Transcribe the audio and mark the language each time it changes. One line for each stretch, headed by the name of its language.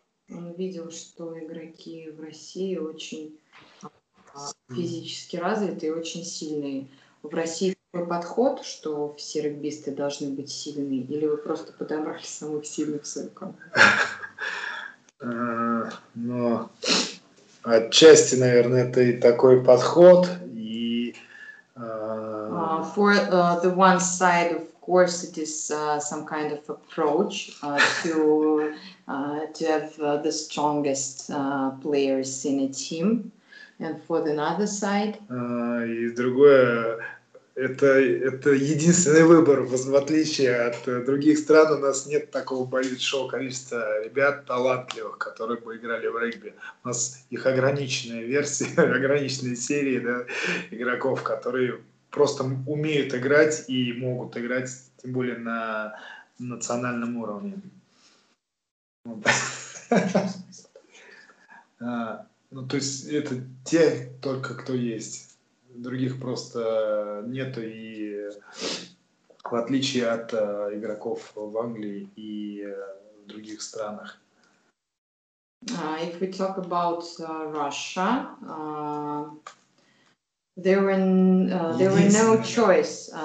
Russian: Он видел, что игроки в России очень физически развиты и очень сильные. В России такой подход, что все регбисты должны быть сильными, или вы просто подобрали самых сильных сырков? Но отчасти, наверное, это и такой подход. И
English: for the one side of Of course, it is some kind of approach to have the strongest players in a team, and for the other side.
Russian: И другое, это единственный выбор, в отличие от других стран, у нас нет такого большого количества ребят талантливых, которые бы играли в регби. У нас их ограниченная версия, ограниченные серии, да, игроков, которые просто умеют играть и могут играть. Тем более на национальном уровне. Ну, то есть это те только, кто есть. Других просто нету. И в отличие от игроков в Англии и в других странах.
English: If we talk about Russia, There were no choice.